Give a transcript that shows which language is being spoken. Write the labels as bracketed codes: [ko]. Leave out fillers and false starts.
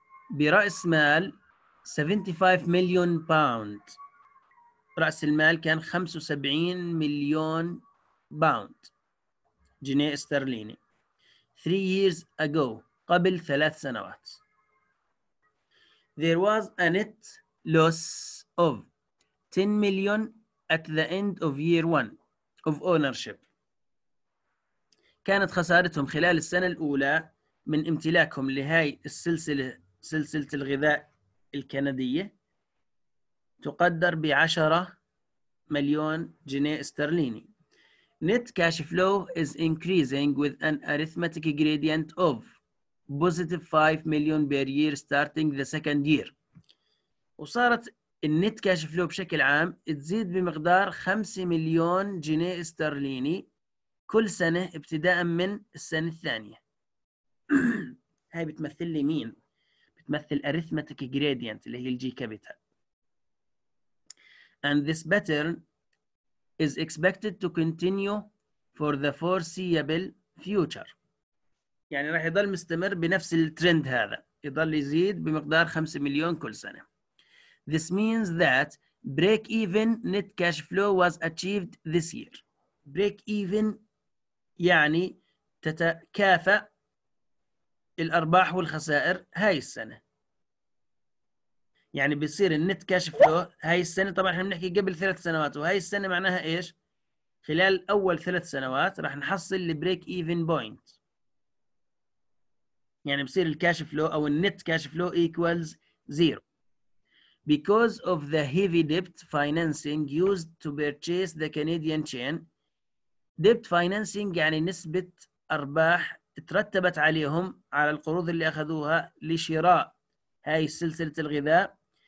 [ar] برأس مال 75 مليون باوند. رأس المال كان 75 مليون باوند جنيه استرليني. [en] 3 years ago [ar] قبل 3 سنوات. [en] There was a net loss of 10 million at the end of year 1 of ownership. [ar] كانت خسارتهم خلال السنة الأولى من امتلاكهم لهاي السلسلة سلسلة الغذاء الكندية تقدر بعشرة مليون جنيه استرليني. [en] Net cash flow is increasing with an arithmetic gradient of positive 5 million per year starting the second year. [ar] وصارت النت كاش فلو بشكل عام تزيد بمقدار 5 مليون جنيه استرليني كل سنة ابتداء من السنة الثانية. هاي بتمثل لي مين؟ تمثل arithmetic gradient اللي هي الجي كابيتال. [en] And this pattern is expected to continue for the foreseeable future. [ar] يعني راح يضل مستمر بنفس الترند هذا، يضل يزيد بمقدار 5 مليون كل سنة. [en] This means that break even net cash flow was achieved this year. [ar] Break even يعني تتكافأ الأرباح والخسائر هاي السنة. يعني بيصير النت كاش فلو هاي السنة، طبعا احنا بنحكي قبل ثلاث سنوات، وهاي السنة معناها ايش؟ خلال اول ثلاث سنوات راح نحصل البريك ايفن بوينت، يعني بصير الكاش فلو او النت كاش فلو ايكوالز زيرو. [en] Because of the heavy debt financing used to purchase the Canadian chain. [ar] Debt financing يعني نسبة ارباح ترتبت عليهم على القروض اللي اخذوها لشراء هاي سلسلة الغذاء.